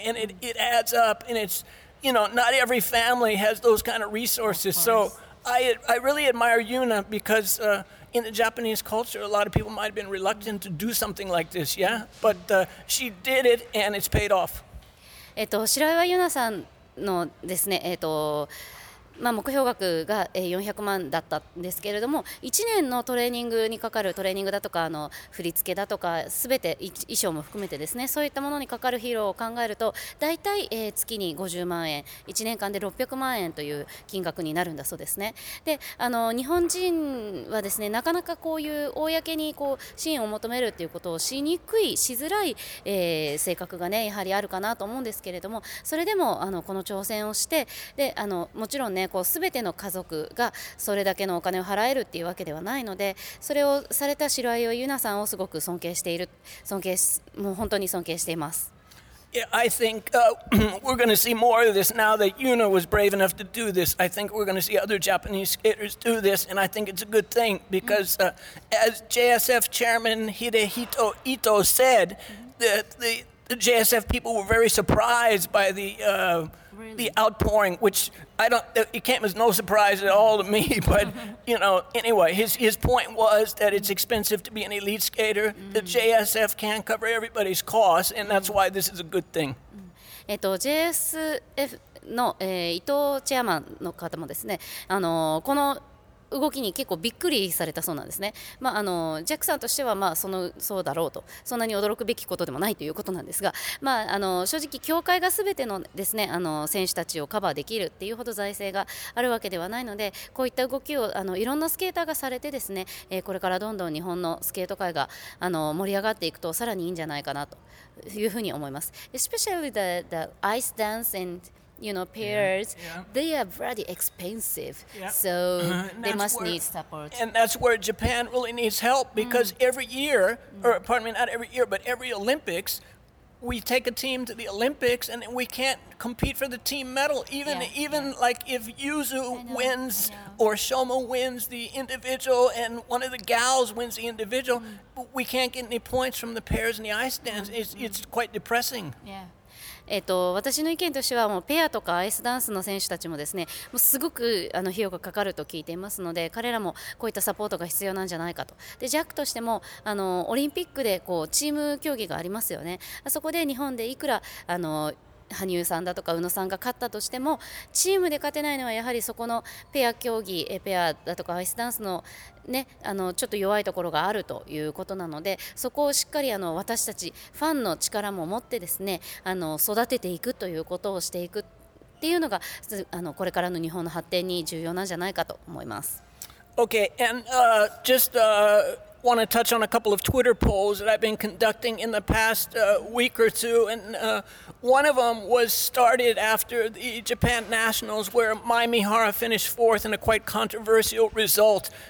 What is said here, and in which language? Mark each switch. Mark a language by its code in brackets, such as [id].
[en] And it adds up. And it's, you know, not every family has those kind of resources. Of course. So I really admire Yuna because in the Japanese culture, a lot of people might have been reluctant to do something like this, yeah? But she did it and it's paid off. [ja] 白岩優奈さんのですね、まあ、目標額が400万だったんですけれども、1年のトレーニングにかかるトレーニングだとか、あの振り付けだとか、すべて衣装も含めてですね、そういったものにかかる費用を考えると、大体月に50万円、1年間で600万円という金額になるんだそうですね。で、あの日本人はですね、なかなかこういう公にこう支援を求めるということをしにくい、しづらい、性格がね、やはりあるかなと思うんですけれども、それでもあのこの挑戦をして、であのもちろんね、こう全ての家族がそれだけのお金を払えるっていうわけではないので、それをされた白岩優奈さんをすごく尊敬している、尊敬し、もう本当に尊敬しています。 [en] Yeah, I think we're going to see more of this now that Yuna was brave enough to do this. I think we're going to see other Japanese skaters do this, and I think it's a good thing because as JSF chairman Hidehito Ito said, the JSF people were very surprised by the outpouring, which I don't, it came as no surprise at all to me, but you know, anyway, his point was that it's expensive to be an elite skater. The JSF can't cover everybody's costs, and that's why this is a good thing. [ja] JSF の、伊藤チェアマンの方もですね、あのこの動きに結構びっくりされたそうなんですね。まあ、あのジャックさんとしては、まあ、そうだろうと、そんなに驚くべきことでもないということなんですが、まあ、あの正直協会が全てのですね、あの選手たちをカバーできるっていうほど財政があるわけではないので、こういった動きをあのいろんなスケーターがされてですね、これからどんどん日本のスケート界があの盛り上がっていくとさらにいいんじゃないかなというふうに思います。 [en] Especially the ice dance andYou know, pairs, they are very expensive, so they must need support. And that's where Japan really needs help, because every year, or pardon me, not every year, but every Olympics, we take a team to the Olympics, and we can't compete for the team medal. Like if Yuzu wins, or Shoma wins the individual, and one of the gals wins the individual, we can't get any points from the pairs in the ice dance. It's quite depressing. Yeah. [ja] 私の意見としては、もうペアとかアイスダンスの選手たちもですね、もうすごくあの費用がかかると聞いていますので、彼らもこういったサポートが必要なんじゃないかと。でジャックとしてもあのオリンピックでこうチーム競技がありますよね。あそこで日本でいくらあの羽生さんだとか宇野さんが勝ったとしても、チームで勝てないのはやはりそこのペア競技、ペアだとかアイスダンスのね、あのちょっと弱いところがあるということなので、そこをしっかりあの私たちファンの力も持ってですね、あの育てていくということをしていくっていうのが、あのこれからの日本の発展に重要なんじゃないかと思います。 [en] Okay, and just want to touch on a couple of Twitter polls that I've been conducting in the past week or two, and one of them was started after the Japan Nationals, where Mai Mihara finished fourth in a quite controversial result.